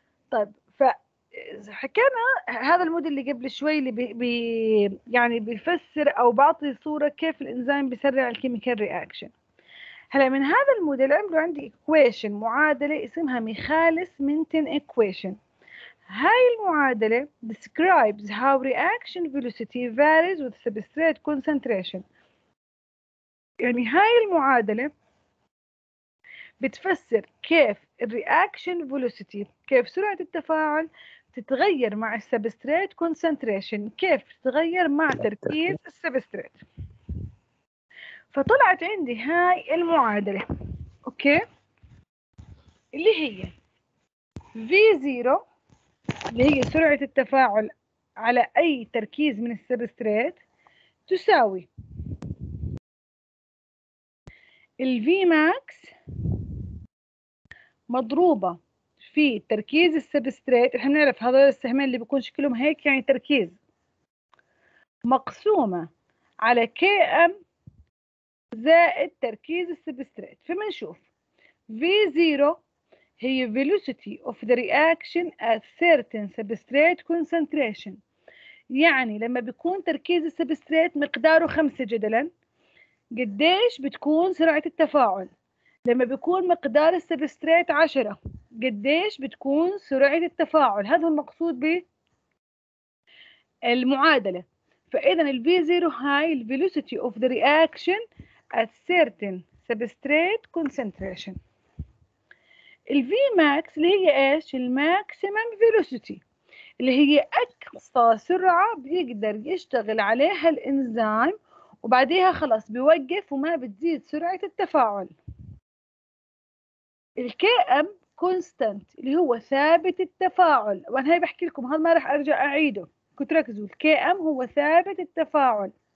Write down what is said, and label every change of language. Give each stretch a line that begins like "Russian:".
Arabic: طيب حكينا هذا الموديل اللي قبل شوي اللي يعني بيفسر او بعطي صوره كيف الانزيم بيسرع الكيميكال رياكشن. هلا من هذا الموديل عملوا عندي ايكويشن معادله اسمها ميخالس منتن ايكويشن. هاي المعادله
English: describes how reaction velocity varies with substrate concentration.
Arabic: يعني هاي المعادله بتفسر كيف الرياكشن فيلوسيتي كيف سرعه التفاعل تتغير مع السبستريت كونسنتريشن كيف تتغير مع تركيز السبستريت. فطلعت عندي هاي المعادله اوكي اللي هي V0 اللي هي سرعه التفاعل على اي تركيز من السبستريت تساوي الفي ماكس مضروبه في تركيز السبستريت. احنا بنعرف هذول السهمين اللي بيكون شكلهم هيك يعني تركيز مقسومه على KM زائد تركيز السبستريت.
English: فبنشوف V0 هي velocity of the reaction at certain substrate concentration
Arabic: يعني لما بيكون تركيز السبستريت مقداره 5 جدلا قديش بتكون سرعة التفاعل؟ لما بيكون مقدار السبستريت 10 قديش بتكون سرعة التفاعل؟ هذا المقصود بالمعادلة.
English: فإذا الـ V0 هاي الـ velocity of the reaction at certain substrate concentration.
Arabic: الـ V max اللي هي إيش؟ الـ maximum velocity اللي هي أقصى سرعة بيقدر يشتغل عليها الإنزيم وبعديها خلاص بيوقف وما بتزيد سرعة التفاعل. الـ Km constant اللي هو ثابت التفاعل، وأنا هاي بحكي لكم هذا ما رح أرجع أعيده، كنت ركزوا الـ Km هو ثابت التفاعل.